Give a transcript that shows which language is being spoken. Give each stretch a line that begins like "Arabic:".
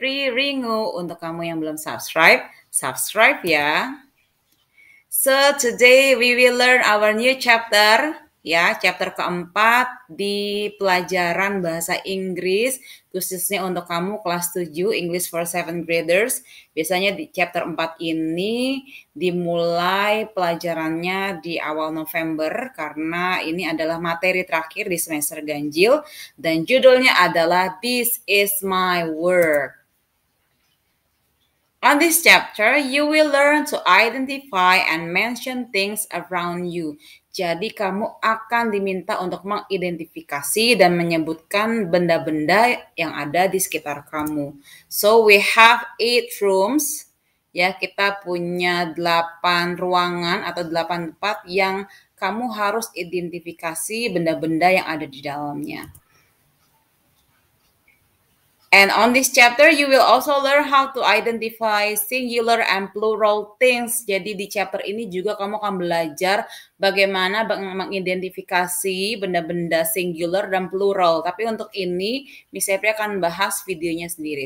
Indonesian: Ringo untuk kamu yang belum subscribe. Subscribe ya.
English: So today we will learn our new chapter.
Indonesian: Ya, chapter keempat di pelajaran bahasa Inggris, khususnya untuk kamu kelas 7,
English: English for 7th graders.
Indonesian: Biasanya di chapter 4 ini dimulai pelajarannya di awal November, karena ini adalah materi terakhir di semester ganjil, dan judulnya adalah This is My Work.
English: On this chapter, you will learn to identify and mention things around you.
Indonesian: Jadi kamu akan diminta untuk mengidentifikasi dan menyebutkan benda-benda yang ada di sekitar kamu.
English: So we have 8 rooms.
Indonesian: Ya, kita punya 8 ruangan atau 8 tempat yang kamu harus identifikasi benda-benda yang ada di dalamnya.
English: And on this chapter, you will also learn how to identify singular and plural things.
Indonesian: Jadi di chapter ini juga kamu akan belajar bagaimana mengidentifikasi benda-benda singular dan plural. Tapi untuk ini, Miss Epri akan bahas videonya sendiri.